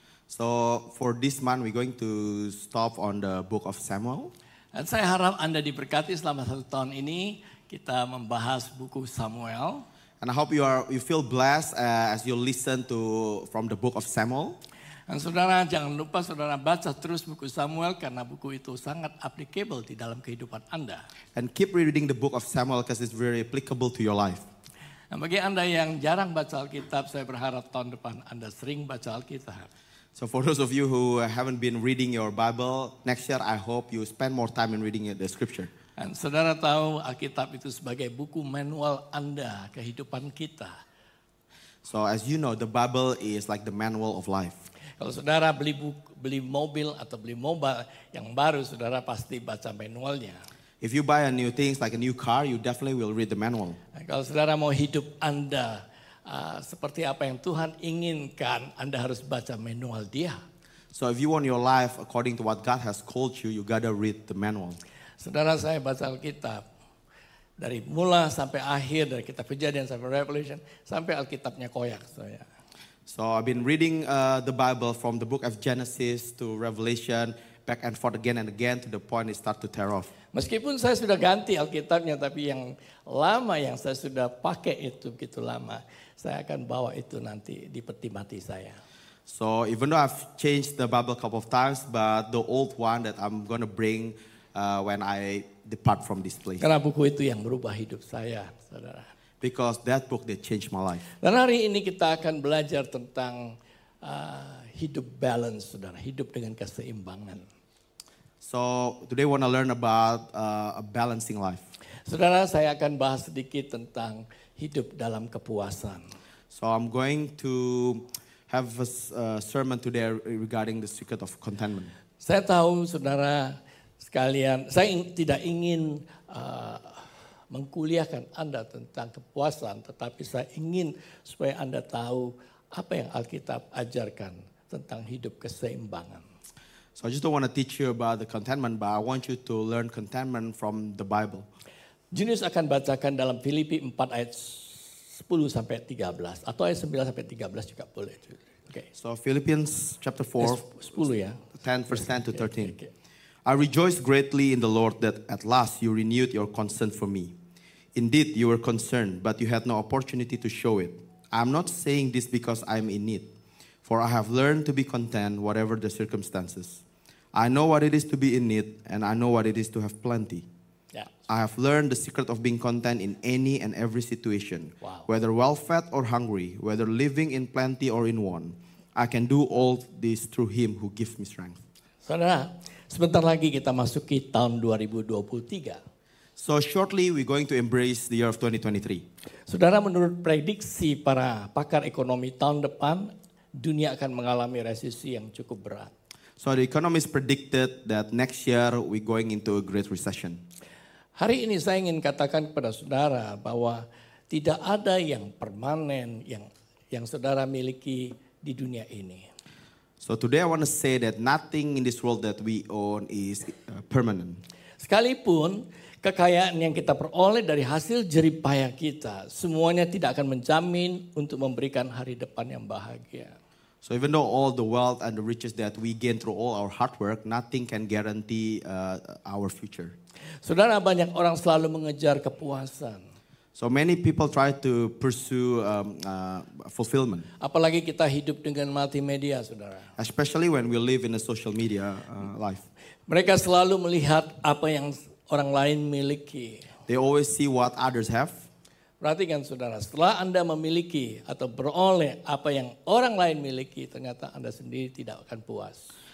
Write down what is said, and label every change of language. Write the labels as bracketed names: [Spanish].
[English] So for this month we're going to stop on the Book of Samuel. [Indonesian] Dan saya harap Anda diberkati selama satu tahun ini kita membahas buku Samuel. [English] And I hope you feel blessed as you listen to from the Book of Samuel. [Indonesian] Dan saudara jangan lupa saudara baca terus buku Samuel karena buku itu sangat applicable di dalam kehidupan Anda. [English] And keep reading the book of Samuel because it's very applicable to your life. [Indonesian] Dan bagi Anda yang jarang baca Alkitab, saya berharap tahun depan Anda sering baca Alkitab. [English] So for those of you who haven't been reading your Bible, next year I hope you spend more time in reading the scripture. [Indonesian] Dan saudara tahu Alkitab itu sebagai buku manual Anda kehidupan kita. [English] So as you know, the Bible is like the manual of life. [Indonesian] Kalau saudara beli mobil atau beli mobile yang baru, saudara pasti baca manualnya. [English] If you buy a new things like a new car, you definitely will read the manual. [Indonesian] Kalau saudara mau hidup Anda seperti apa yang Tuhan inginkan, Anda harus baca manual Dia. [English] So if you want your life according to what God has called you, you gotta read the manual. [Indonesian] Saudara, saya baca Alkitab dari mula sampai akhir, dari Kitab Kejadian sampai Revelation sampai Alkitabnya koyak, saya. [English] So I've been reading the Bible from the book of Genesis to Revelation, back and forth again and again to the point it start to tear off. [Indonesian] Meskipun saya sudah ganti Alkitabnya, tapi yang lama yang saya sudah pakai itu begitu lama, saya akan bawa itu nanti di peti mati saya. [English] So even though I've changed the Bible a couple of times, but the old one that I'm gonna bring when I depart from this place. [Indonesian] Karena buku itu yang merubah hidup saya, saudara. [English] Because that book that changed my life. [Indonesian] Dan hari ini kita akan belajar tentang hidup balance, saudara, hidup dengan keseimbangan. [English] So today we want to learn about a balancing life. [Indonesian] Saudara, saya akan bahas sedikit tentang hidup dalam kepuasan. [English] So I'm going to have a sermon today regarding the secret of contentment. [Indonesian] Saya tahu, saudara sekalian, saya tidak ingin mengkuliahkan Anda tentang kepuasan, tetapi saya ingin supaya Anda tahu apa yang Alkitab ajarkan tentang hidup keseimbangan. [English] So I just don't want to teach you about the contentment, but I want you to learn contentment from the Bible. [Indonesian] Junius akan bacakan dalam Filipi 4 ayat 10 sampai 13 atau ayat 9 sampai 13 juga boleh. [English] Okay. So Philippians chapter 4 [Indonesian] 10 ya. [English] 10 verse 10 to 13. Okay. I rejoice greatly in the Lord that at last you renewed your concern for me. Indeed, you were concerned, but you had no opportunity to show it. I am not saying this because I am in need, for I have learned to be content whatever the circumstances. I know what it is to be in need, and I know what it is to have plenty. Yeah. I have learned the secret of being content in any and every situation, wow, whether well-fed or hungry, whether living in plenty or in want. I can do all this through Him who gives me strength. [Indonesian] Saudara, sebentar lagi kita masuki tahun 2023. [English] So shortly we're going to embrace the year of 2023. [Indonesian] Saudara, menurut prediksi para pakar ekonomi tahun depan, dunia akan mengalami resesi yang cukup berat. [English] So the economist predicted that next year we're going into a great recession. [Indonesian] Hari ini saya ingin katakan kepada saudara bahwa tidak ada yang permanen yang saudara miliki di dunia ini. [English] So today I want to say that nothing in this world that we own is permanent. [Indonesian] Sekalipun kekayaan yang kita peroleh dari hasil jerih payah kita, semuanya tidak akan menjamin untuk memberikan hari depan yang bahagia. [English] So even though all the wealth and the riches that we gain through all our hard work, nothing can guarantee our future. [Indonesian] Saudara, banyak orang selalu mengejar kepuasan. [English] So many people try to pursue fulfillment. [Indonesian] Apalagi kita hidup dengan multimedia, saudara. [English] Especially when we live in a social media life. [Indonesian] Mereka selalu melihat apa yang orang lain miliki. [English] They always see what others have. [Indonesian] Perhatikan saudara, setelah Anda memiliki atau beroleh apa yang orang lain miliki, ternyata Anda sendiri tidak akan puas.